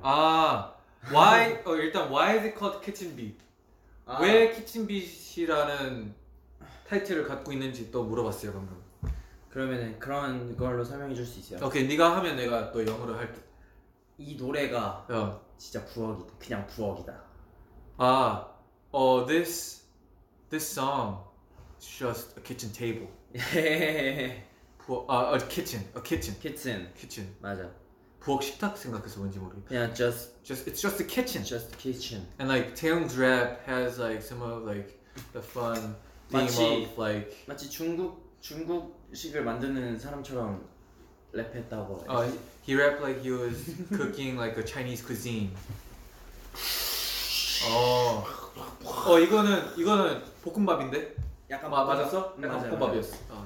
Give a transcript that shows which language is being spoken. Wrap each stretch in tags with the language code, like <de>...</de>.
<en>아 why 어,</en> <ko>일단</ko> <en>why is it called kitchen beat? 아.</en> <ko>왜 kitchen beat이라는 타이틀을 갖고 있는지 또 물어봤어요 방금. 그러면은 그런 걸로 설명해 줄 수 있어요. 오케이 네가 하면 내가 또 영어로 할. 이 노래가 진짜 부엌이다. 그냥 부엌이다.</ko> <en>아, this song is just a kitchen table. 부엌, a kitchen.</en> <ko>맞아. 부엌 식탁 생각해서 뭔지 모르겠다. 그냥</ko> <en>it's just a kitchen. Just a kitchen. And like Taeyong's rap has like some of like the fun theme of like</en> <ko>마치 중국식을 만드는 사람처럼 랩했다고.</ko> <en>He rapped like he was cooking like a Chinese cuisine.</en> <ko>어 이거는 이거는 볶음밥인데? 약간 마, 맞았어? 약간 볶음밥이었어.</ko>